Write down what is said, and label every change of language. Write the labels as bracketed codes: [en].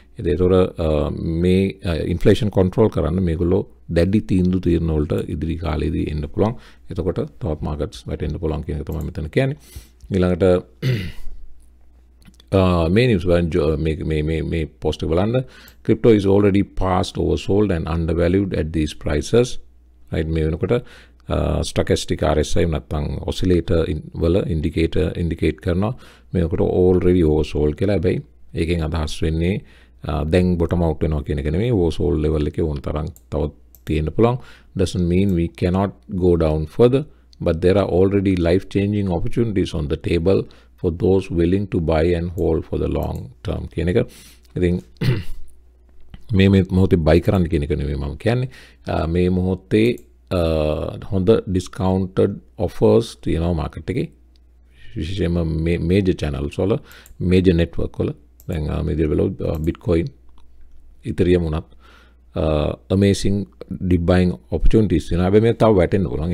[si] ඒතකොට මේ inflation control කරන්න මේගොල්ලෝ දැඩි තීන්දුව తీරන වලට ඉදිරි කාලෙදී එන්න පුළුවන්. එතකොට තවත් markets වැටෙන්න පුළුවන් කියන එක තමයි මෙතන කියන්නේ. ඊළඟට මේ news වලින් මේ post එක බලන්න. [en] Crypto is already past oversold and undervalued at these prices. [si] Right, මේ වෙනකොට stochastic RSI නැත්නම් oscillator වල indicate කරනවා මේකට already oversold කියලා. හැබැයි ඒකෙන් අදහස් වෙන්නේ then bottom out වෙනවා කියන එක නෙමෙයි. oversold level එකේ වුණ තරම් තවත් තියෙන්න පුළුවන්. [en] Doesn't mean we cannot go down further, but there are already life changing opportunities on the table for those willing to buy and hold for the long term [si] කියන එක. ඉතින් මේ මොහොතේ buy කරන්න කියන එක නෙමෙයි මම කියන්නේ. මේ මොහොතේ හොඳ discounted offers තියෙනවා market එකේ, විශේෂයෙන්ම major channels වල, major network වල. දැන් මේ දිර වල bitcoin ethereum උනත් amazing deep buying opportunities තියෙනවා. හැබැයි මේ තව වැටෙන්න පුළුවන්.